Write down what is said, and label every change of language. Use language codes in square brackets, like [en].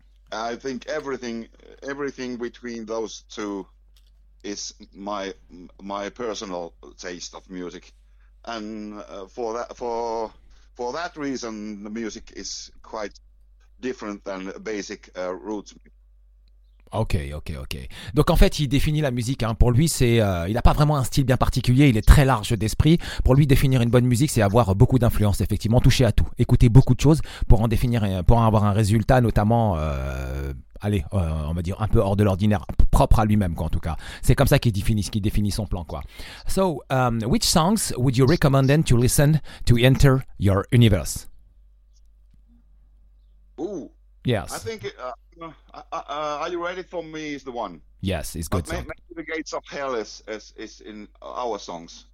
[en] I think everything between those two is my personal taste of music, and for that reason, the music is quite different than basic roots. [fr] Ok. Donc en fait, il définit la musique. Hein. Pour lui, c'est, il n'a pas vraiment un style bien particulier. Il est très large d'esprit. Pour lui, définir une bonne musique, c'est avoir beaucoup d'influence, effectivement, toucher à tout, écouter beaucoup de choses pour en définir, pour avoir un résultat, notamment, on va dire un peu hors de l'ordinaire, propre à lui-même, quoi. En tout cas, c'est comme ça qu'il définit son plan, quoi. [en] So, which songs would you recommend then to listen to enter your universe? Ooh. Yes. I think. Are You Ready For Me is the one. Yes, it's good. But maybe The Gates of Hell is in our songs.